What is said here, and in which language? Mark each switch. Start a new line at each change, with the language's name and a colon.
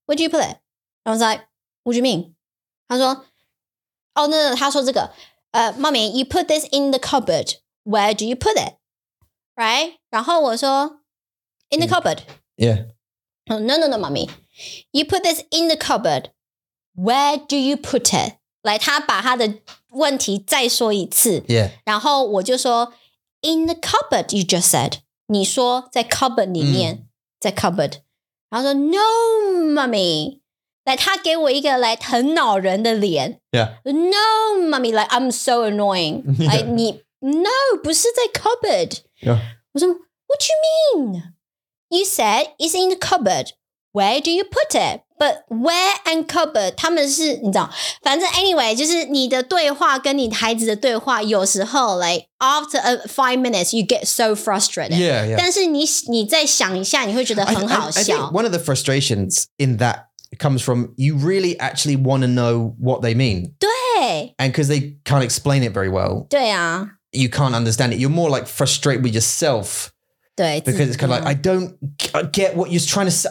English: Where'd you put it? I was like, what do you mean? 他说, oh, no,
Chinese: 他说这个,
English: Mommy, you put this in the cupboard. Where do you put it? Right?
Chinese: 然后我说,
English: in the cupboard. Yeah. Oh, no, Mommy. You put this in the cupboard. Where do you put it?
Chinese: 来，他把他的问题再说一次。
English: Yeah.
Chinese: 然后我就说
English: ，In the cupboard, you just said.
Chinese: 你说在 cupboard 里面，在 cupboard。然后说 ，
English: No, mommy.
Chinese: 来，他给我一个来很恼人的脸。
English: Yeah. No, mommy. Like I'm so annoying. Yeah.
Chinese: 来，你
English: No,
Chinese: 不是在
English: cupboard. Yeah.
Chinese: 我说
English: What you mean? You said it's in the cupboard. Where do you put it? But where and cupboard,
Chinese: 他们是你知道反正
English: anyway,
Chinese: 就是你的对话跟你孩子的对话有时候
English: like, after a 5 minutes, you get so frustrated. Yeah, yeah.
Chinese: 但是 你再想一下你会觉得很好笑。
English: I think one of the frustrations in that comes from you really actually want to know what they mean.
Chinese: 对。
English: And because they can't explain it very well.
Chinese: 对啊。
English: You can't understand it. You're more like frustrated with yourself.
Chinese: 对,
English: because it's kind of like, I don't get what you're trying to say.